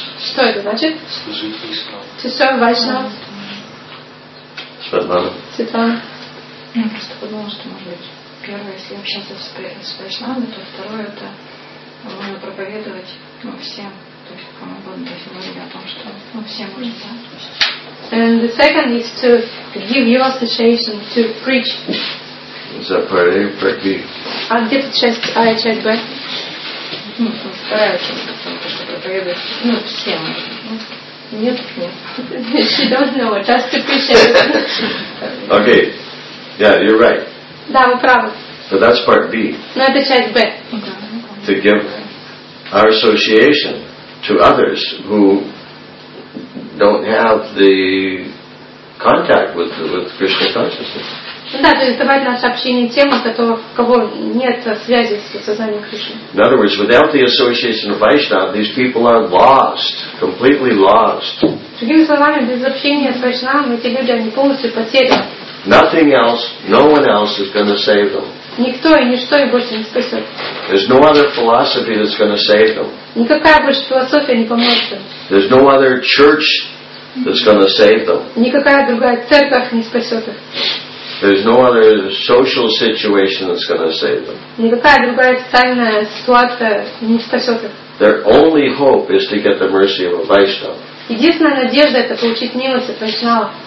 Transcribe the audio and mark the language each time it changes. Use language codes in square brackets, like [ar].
[ru] Что это значит? [en] To serve Vaishnav. [ru] Светлана. Светлана. Я просто подумала, что, может быть, первое, если общаться с Вайшнавами, то второе, это можно проповедовать, ну, всем, то есть кому угодно, то есть говорить о том, что, ну, всем можно, да. [en] And the second is to give your association to preach. Is that part A or part B? [ru] А где тут часть А и часть Б? Ну, вторая часть, потому что проповедовать, ну, всем можно. Нет, нет. [en] She don't know. Just to preach. Okay. Yeah, you're right. [ru] Да, вы правы. [en] But that's part B. [ru] Но это часть Б. [en] To give our association to others who don't have the contact with Krishna consciousness. [ru] Да, то есть давать наше общение тем, у кого нет связи с сознанием Кришны. [en] In other words, without the association of Vaishnava, these people are lost, completely lost. [ru] Другими словами, без общения с Вайшнавом эти люди, они полностью потеряны. [en] Nothing else, no one else is going to save them. [ru] Никто и ничто их больше не спасет. [en] There's no other philosophy that's going to save them. [ru] Никакая больше философия не поможет им. [en] There's no other church that's going to save them. [ru] Никакая другая церковь не спасет их. [en] There's no other social situation that's going to save them. [ru] Никакая другая социальная ситуация не спасет их. [en] Their only hope is to get the mercy of a Vaishnava. [ru] Единственная надежда это получить милость от Вайшнава.